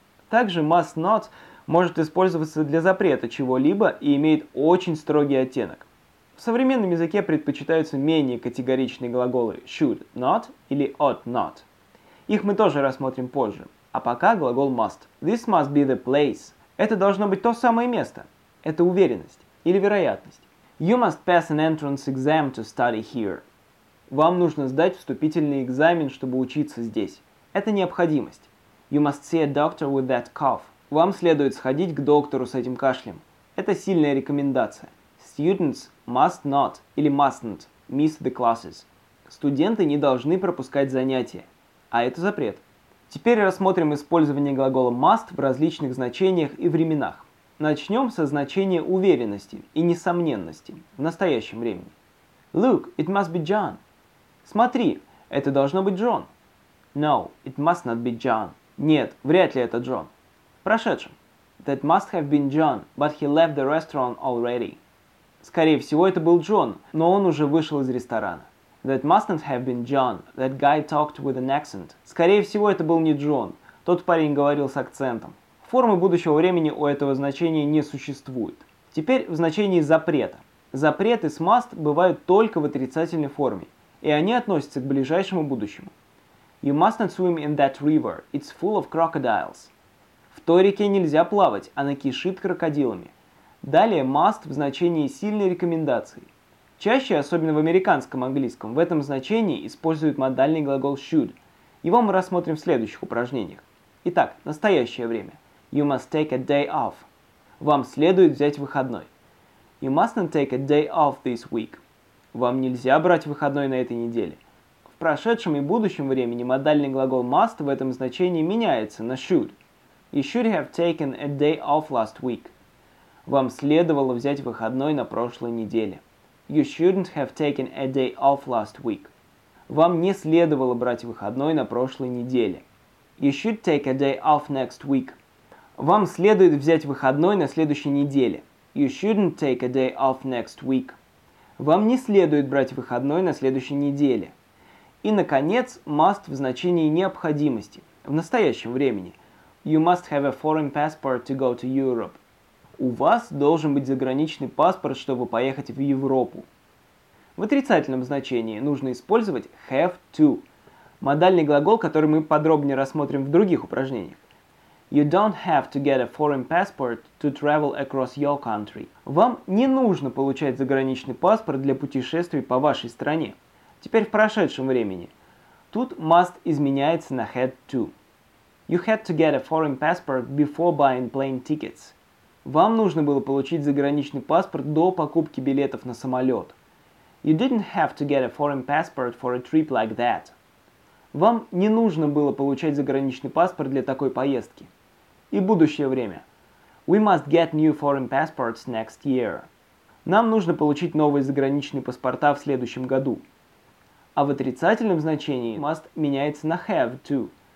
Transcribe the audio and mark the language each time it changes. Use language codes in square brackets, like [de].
[ru] Также must not может использоваться для запрета чего-либо и имеет очень строгий оттенок. В современном языке предпочитаются менее категоричные глаголы should not или ought not. Их мы тоже рассмотрим позже. А пока глагол [en] must. This must be the place. [ru] Это должно быть то самое место. Это уверенность или вероятность. [en] You must pass an entrance exam to study here. [ru] Вам нужно сдать вступительный экзамен, чтобы учиться здесь. Это необходимость. [en] You must see a doctor with that cough. [ru] Вам следует сходить к доктору с этим кашлем. Это сильная рекомендация. [en] Students must not или mustn't miss the classes. [ru] Студенты не должны пропускать занятия, а это запрет. Теперь рассмотрим использование глагола must в различных значениях и временах. Начнем со значения уверенности и несомненности в настоящем времени. [en] Look, it must be John. [ru] Смотри, это должно быть Джон. [en] No, it must not be John. [ru] Нет, вряд ли это Джон. Прошедшем. [en] That must have been John, but he left the restaurant already. [ru] Скорее всего, это был Джон, но он уже вышел из ресторана. [en] That mustn't have been John. That guy talked with an accent. [ru] Скорее всего, это был не Джон. Тот парень говорил с акцентом. Формы будущего времени у этого значения не существует. Теперь в значении запрета. Запрет из must бывают только в отрицательной форме, и они относятся к ближайшему будущему. [en] You mustn't swim in that river. It's full of crocodiles. [ru] В той реке нельзя плавать, она кишит крокодилами. Далее must в значении сильной рекомендации. Чаще, особенно в американском английском, в этом значении используют модальный глагол should. Его мы рассмотрим в следующих упражнениях. Итак, настоящее время. [en] You must take a day off. [ru] Вам следует взять выходной. [en] You mustn't take a day off this week. [ru] Вам нельзя брать выходной на этой неделе. В прошедшем и будущем времени модальный глагол must в этом значении меняется на should. [en] You should have taken a day off last week. [ru] Вам следовало взять выходной на прошлой неделе. [en] You shouldn't have taken a day off last week. [ru] Вам не следовало брать выходной на прошлой неделе. [en] You should take a day off next week. [ru] Вам следует взять выходной на следующей неделе. [en] You shouldn't take a day off next week. [ru] Вам не следует брать выходной на следующей неделе. И, наконец, must в значении необходимости. В настоящем времени. [en] You must have a foreign passport to go to Europe. [ru] У вас должен быть заграничный паспорт, чтобы поехать в Европу. В отрицательном значении нужно использовать have to. Модальный глагол, который мы подробнее рассмотрим в других упражнениях. [en] You don't have to get a foreign passport to travel across your country. [ru] Вам не нужно получать заграничный паспорт для путешествий по вашей стране. Теперь в прошедшем времени. Тут must изменяется на had to. [en] You had to get a foreign passport before buying plane tickets. [ru] Вам нужно было получить заграничный паспорт до покупки билетов на самолет. [en] You didn't have to get a foreign passport for a trip like that. [ru] Вам не нужно было получать заграничный паспорт для такой поездки. И будущее время. [en] We must get new foreign passports next year. [ru] Нам нужно получить новые заграничные паспорта в следующем году. А в отрицательном значении must меняется на have to.